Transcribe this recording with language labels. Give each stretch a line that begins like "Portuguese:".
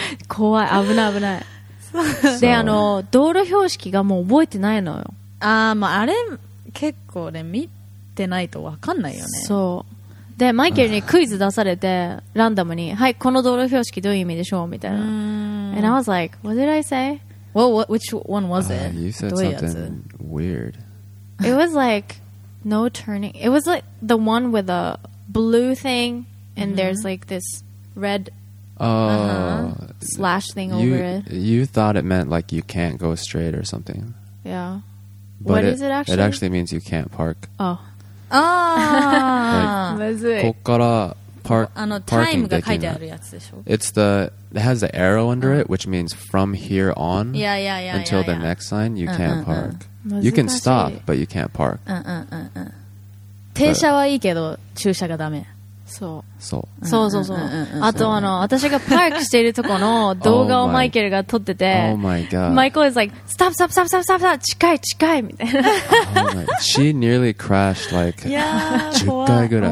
Japanese: 怖い、危ない危ない。で、あの道路標識がもう覚えてないのよ。あ、まあ、あれ結構ね、見てないと分かんないよね。そうで、マイケルにクイズ出されて、ランダムに、はい、この道路標識どういう意味でしょうみたいな。
English: And I was like, what did I say? Well, what, which one was it? You said something weird. It was like, no turning. It was like the one with a blue thing, and there's like this red slash thing you, over it. You thought it meant like you can't go straight or something. Yeah. But what it, is it actually? It actually means you can't park. Oh. It's the it has the arrow under it, which means from here on until the next sign, you can't park. You can stop, but you can't park.
Japanese: 停車はいいけど駐車がダメ。そう。あとあの私がパークしているところの動画をマイケルが撮ってて、
English: Oh my God. Michael is like stop stop stop stop stop stop
Japanese: 近いみたいな。
English: Oh、 She nearly crashed like
Japanese: 10回ぐらい。